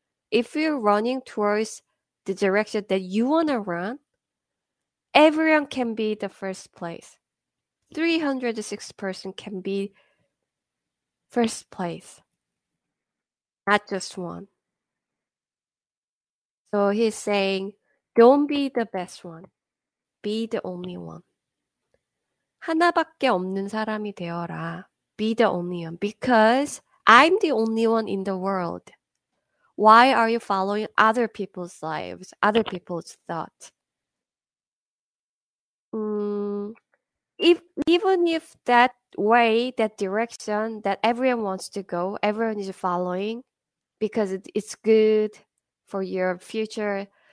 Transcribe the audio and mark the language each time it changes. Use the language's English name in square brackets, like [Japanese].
[English] If you're running towards the direction that you want to run, everyone can be the first place. 306 person can be first place. Not just one. So he's saying, don't be the best one. Be the only one. [Korean] 하나밖에 없는 사람이 되어라. [English] Be the only one. Because I'm the only one in the world. Why are you following other people's lives, other people's thoughts? Even if that way, that direction that everyone wants to go, everyone is following because it's good for your future.